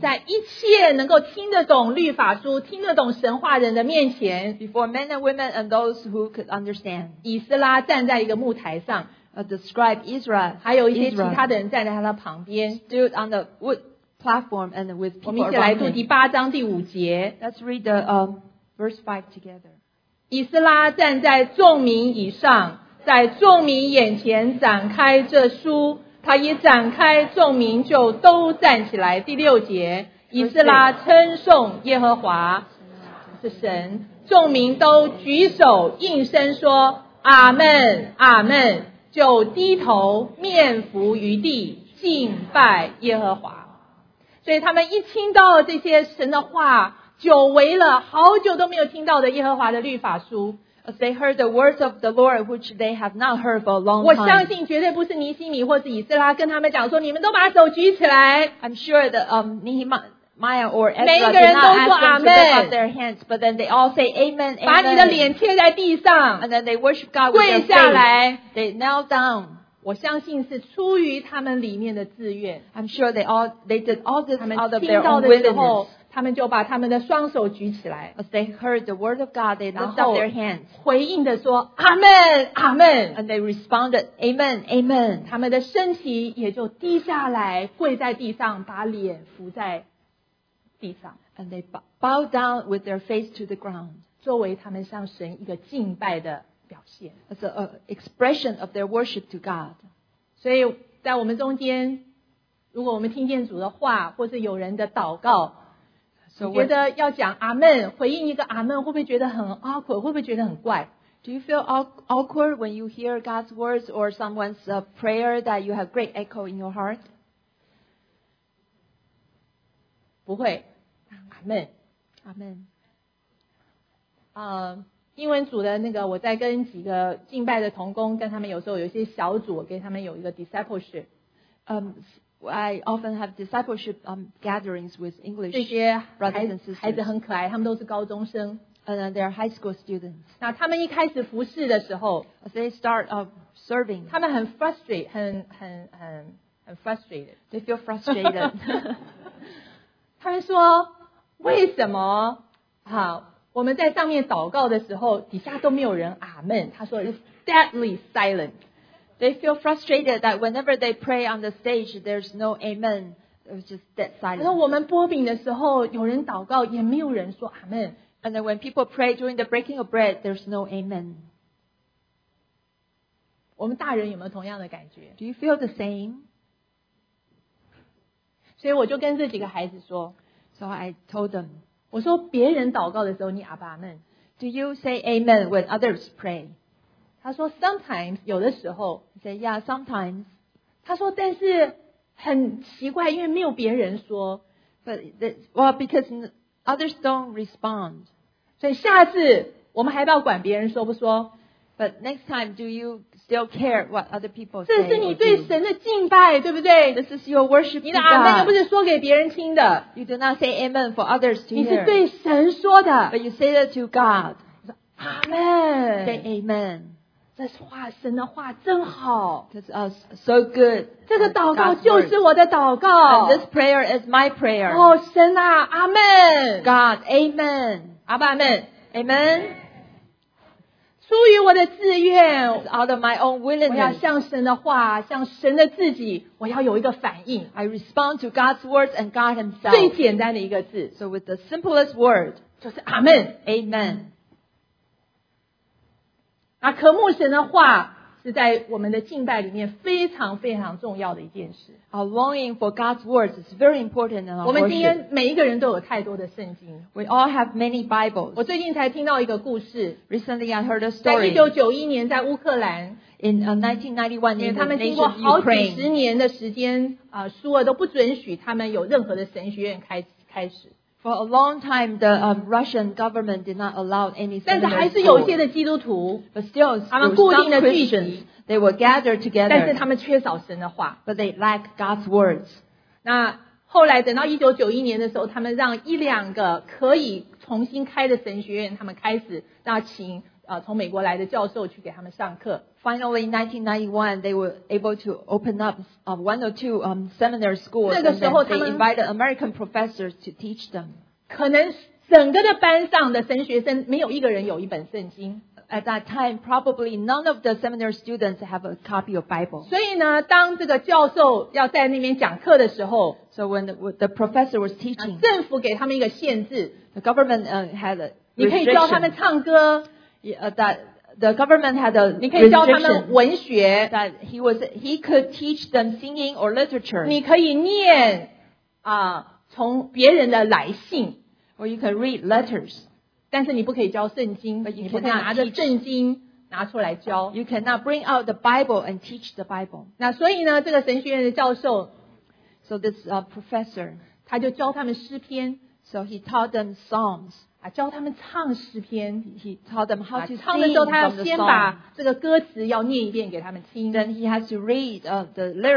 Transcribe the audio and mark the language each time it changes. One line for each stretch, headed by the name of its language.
Chinese: 在一切能够听得懂律法书、听得懂神话人的面前
English: ，before men and women and those who could understand，
Chinese: 以斯拉站在一个木台上
English: ，the scribe Ezra，
Chinese: 还有一些其他的人站在他的旁边
English: ，stood on the wood platform and with people around him.
Chinese: 我们一起来读第八章第五节
English: ，Let's read the verse 5 together.
Chinese: 以斯拉站在众民以上。在众民眼前展开这书，他一展开，众民就都站起来。第六节，以斯拉称颂耶和华，是神，众民都举手应声说：“阿们，阿们！” 就低头面伏于地敬拜耶和华。所以他们一听到这些神的话，久违了好久都没有听到的耶和华的律法书。
English: As they heard the words of the Lord, which they have not heard for a long time.
Chinese: 我相信绝对不是尼希米或是以斯拉跟他们讲说，你们都把手举起来。
English: I'm sure that Nehemiah or Ezra
Chinese: 每一个人都说阿们。
English: Lift up their hands, but then they all say Amen.
Chinese: 把你的脸贴在地上。
English: And then they worship God with their face.
Chinese: 跪下来。
English: They knelt down.
Chinese: 我相信是出于他们里面的自愿。
English: I'm sure they did all this out of their own willingness.
Chinese: 他们就把他们的双手举起来
English: As they heard the word of God, they lifted up their hands.
Chinese: 回应地说阿们阿们
English: And they responded, Amen, Amen.
Chinese: 他们的身体也就低下来跪在地上把脸伏在地上
English: And they bowed down with their face to the ground.
Chinese: 作为他们向神一个敬拜的表现
English: As an expression of their worship to God.
Chinese: 所以在我们中间如果我们听见主的话或是有人的祷告你觉得要讲阿们，回应一个阿们，会不会觉得很
English: awkward？
Chinese: 会不会觉得很怪
English: ？Do you feel awkward when you hear God's words or someone's prayer that you have great echo in your heart？
Chinese: 不会，阿们，阿们。英文组的那个，我在跟几个敬拜的同工，跟他们有时候有一些小组，跟他们有一个
English: discipleship。 I often have discipleship gatherings with English
Chinese: 这些
English: brothers and sisters.
Chinese: 孩子很可爱，他们都是高中生。
English: And they are high school students.
Chinese: 那他们一开始服侍的时候
English: ，as they start serving,
Chinese: 他们很
English: frustrated,
Chinese: 很
English: frustrated. They feel frustrated.
Chinese: 他们说，为什么？好，我们在上面祷告的时候，底下都没有人阿们。他说
English: ，it's deadly silent. They feel frustrated that whenever they pray on the stage, there's no amen. It was just dead silence.
Chinese: 然后我们擘饼的时候，有人祷告，也没有人说阿门。
English: And then when people pray during the breaking of bread, there's no amen.
Chinese: 我们大人有没有同样的感觉
English: ？Do you feel the same?
Chinese: 所以我就跟这几个孩子说
English: ，So I told them,
Chinese: 我说别人祷告的时候，你阿爸阿门。
English: Do you say amen when others pray?
Chinese: 他说
English: sometimes
Chinese: 有的时候
English: say yeah sometimes
Chinese: 他说但是很奇怪因为没有别人说
English: well because others don't respond
Chinese: 所以下次我们还要管别人说不说
English: but next time do you still care what other people say
Chinese: 这是你对神的敬拜对不对
English: this is your worship
Chinese: 你的阿们又不是说给别人听的
English: you do not say amen for others to hear
Chinese: 你是对神说的
English: but you say that to God
Chinese: 阿们
English: say amen
Chinese: 这话神的话真好
English: That's so good
Chinese: 这个祷告就是我的祷告
English: And this prayer is my prayer
Chinese: 哦神啊阿们
English: God amen
Chinese: 阿爸阿们
English: Amen
Chinese: 出于我的自愿
English: It's out of my own willingness
Chinese: 我要向神的话向神的自己我要有一个反应
English: I respond to God's words and God himself
Chinese: 最简单的一个字
English: So with the simplest word
Chinese: 就是阿们
English: Amen
Chinese: 可慕神的话是在我们的敬拜里面非常非常重要的一件事。
English: Our longing for God's words is very important in our worship.
Chinese: 我们今天每一个人都有太多的圣经。
English: We all have many Bibles.
Chinese: 我最近才听到一个故事。
English: Recently I heard a story.
Chinese: 在1991年在乌克兰。
English: In 1991,
Chinese: 他们经过好几十年的时间，苏俄都不允许他们有任何的神学院开始。
English: For a long time, the Russian government did not allow any seminary.
Chinese: 但是还是有些的基督徒
English: ，but still,
Chinese: 他们固定的聚集
English: ，they were gathered together.
Chinese: 但是他们缺少神的话
English: ，but they lack God's words.
Chinese: 那后来等到1991年的时候，他们让一两个可以重新开的神学院，他们开始让请从美国来的教授去给他们上课。
English: Finally, in 1991, they were able to open up one or two seminary schools.
Chinese: 那个时候，他们
English: they invited American professors to teach them.
Chinese: 可能整个的班上的神学生没有一个人有一本圣经。
English: At that time, probably none of the seminary students have a copy of Bible.
Chinese: 所以呢，当这个教授要在那边讲课的时候
English: ，So when the professor was teaching,
Chinese: 政府给他们一个限制
English: ，The government had a restriction.
Chinese: 你可以教他们唱歌。
English: The government had a restriction.
Chinese: 你可以教他们文学
English: that he could teach them singing or literature.
Chinese: 你可以念从别人的来信
English: or you can read letters.
Chinese: 但是你不可以教圣经
English: but you
Chinese: 你不可以拿着圣经拿出来教
English: You cannot bring out the Bible and teach the Bible.
Chinese: 那所以呢，这个神学院的教授
English: so this professor
Chinese: 他就教他们诗篇
English: so he taught them psalms.
Chinese: 教他们唱诗篇
English: He taught them how to sing
Chinese: 唱的时候他要先把这个歌词要念一遍给他们听
English: Then he has to read the lyrics